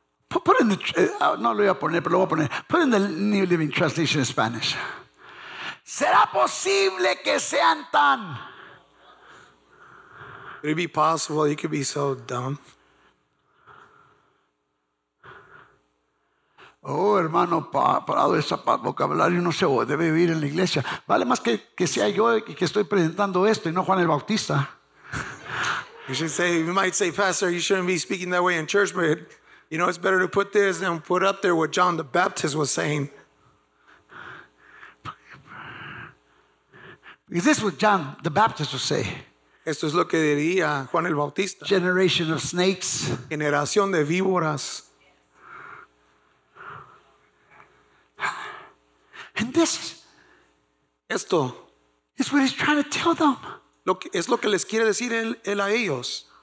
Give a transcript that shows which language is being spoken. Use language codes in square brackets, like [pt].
[en] Put in the [es] no lo voy a poner, pero lo voy a poner. [en] Put in the New Living Translation in Spanish. [es] ¿Será posible que sean tan? [en] Would it be possible you could be so dumb? [es] Oh, hermano, parado ese vocabulario no se debe vivir en la iglesia. Vale más que sea yo que estoy presentando esto y no Juan el Bautista. [en] You should say, you might say, Pastor, you shouldn't be speaking that way in church, but. You know, it's better to put this than put up there what John the Baptist was saying. Is this what John the Baptist would say? [es] Esto es lo que diría Juan el Bautista. [en] Generation of snakes. [es] Generación de víboras. [en] And this. [es] Esto. [en] Is what he's trying to tell them. [es] Es lo que les quiere decir él a ellos.